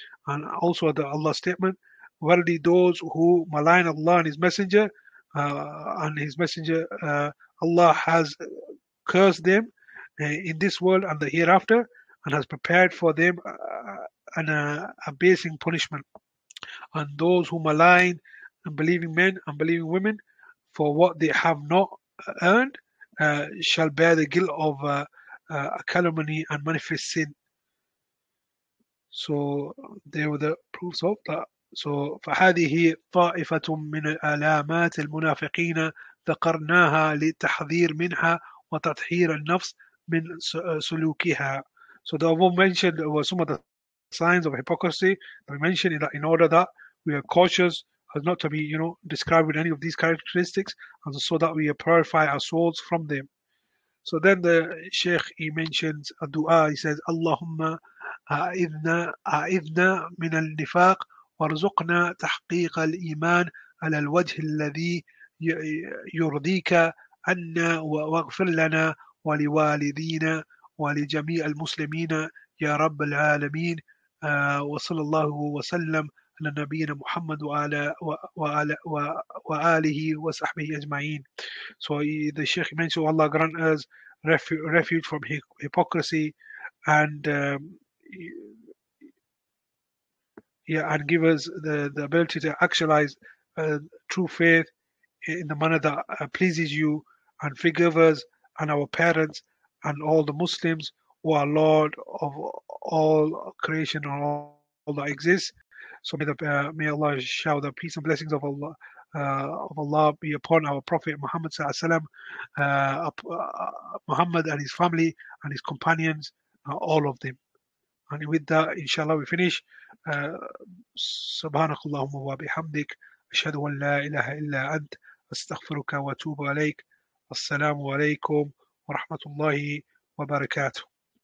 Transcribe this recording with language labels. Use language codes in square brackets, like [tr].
[en] And also the Allah statement, verily those who malign Allah and his Messenger, Allah has cursed them in this world and the hereafter, and has prepared for them an abasing punishment. And those who malign unbelieving men, unbelieving women, for what they have not earned, shall bear the guilt of a calumny and manifest sin. So they were the proofs of that. [ar] So فهذه طائفة من علامات المنافقين ذكرناها للتحذير منها وتطهير النفس من سلوكها. [en] So the above mentioned were some of the signs of hypocrisy. We mentioned that in order that we are cautious as not to be, you know, described with any of these characteristics, and so that we purify our souls from them. So then the Sheikh, he mentions a dua. He says, [ar] Allahumma a'idhna min al-nifaq وارزقنا تحقيق الإيمان على الوجه الذي يرضيك عنا واغفر لنا ولوالدينا ولجميع المسلمين يا رب العالمين وصلى الله وسلم على نبينا محمد وآله وصحبه أجمعين. [en] So the Sheikh mentioned, Allah grant us refuge from hypocrisy and yeah, and give us the ability to actualize true faith in the manner that pleases you, and forgive us and our parents and all the Muslims who are Lord of all creation and all that exists. So may Allah shower the peace and blessings of Allah be upon our Prophet Muhammad sallallahu alaihi wasallam, Muhammad and his family and his companions, all of them. And with that, inshallah, we finish. [ar] سبحانك اللهم وبحمدك أشهد أن لا إله إلا أنت أستغفرك وأتوب عليك. السلام عليكم ورحمة الله وبركاته.